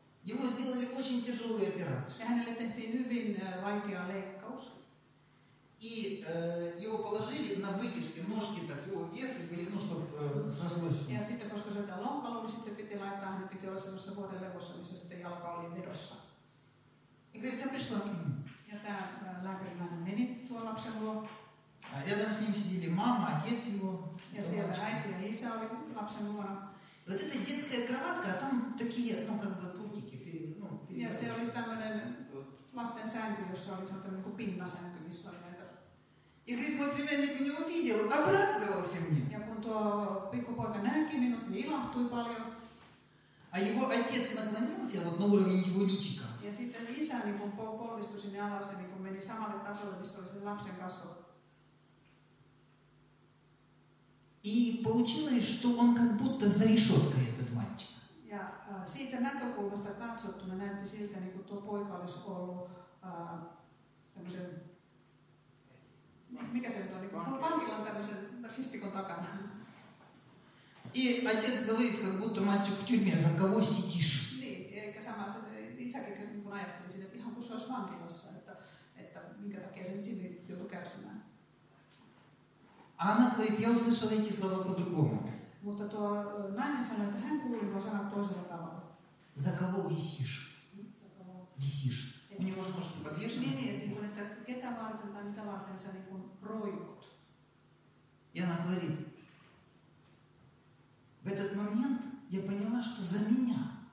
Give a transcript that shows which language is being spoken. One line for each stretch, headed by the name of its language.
Russian: Его сделали очень тяжелую операцию.
Finnish: Ja hänelle tehtiin hyvin vaikea leikkaus.
Russian: И его положили на вытяжке, ножки так его вверх, или, ну, чтобы срослось.
Finnish: Ja sitten, koska se oli lonkalo, niin sitten se piti laittaa, hän piti olla semmoisessa vuodelevossa, missä sitten jalka oli vedossa.
Russian: И говорит, я пришла к нему.
Finnish: Ja tämä lääkärinainen meni tuo lapsen luo.
Russian: Рядом с ним сидели мама, отец его.
Finnish: Ja siellä äiti ja isä oli лапсен луона.
Russian: Вот эта детская кроватка, а там такие, ну, как бы, пультики. Ну,
Finnish: ja siellä oli tämmöinen lasten sänky, jossa oli tämmöinen kuin pinnasänky, missä oli.
Russian: И говорит, мой племянник меня увидел, обрадовался мне.
Finnish: Ja kun tuo pikkupoika näki minut, niin ilahtui paljon.
Russian: А его отец наклонился вот на уровень его личика.
Finnish: Ja sitten isä niin polvistui sinne alas, niin kun meni samalle tasolle, missä oli sen lapsen kasvot.
Russian: И получилось, что он как будто за решеткой этот мальчик.
Finnish: Ja siitä näkökulmasta katsottuna näytti siltä, niin kuin tuo poika olisi ollut tämmöisen... Mikä se on? Vankilan tämmöisen ristikon takana.
Russian: И отец говорит, как будто мальчик в тюрьме, за кого сидишь?
Finnish: Niin, eikä sama se itsekin niin kuin ajatteli siitä, että ihan kun se olisi vankilassa, että minkä takia se sinne joutui kärsimään.
Russian: А она говорит, я услышала эти слова по-другому.
Finnish: Mutta tuo nainen sanoi, että hän kuuli nuo sanat toisella tavalla.
Russian: За кого висишь? Висишь. У него же ножки подвешены.
Finnish: Niin, niin, niin, että ketä varten tai mitä varten sä niin kuin roikut.
Russian: И она говорит, в этот момент я поняла, что за меня.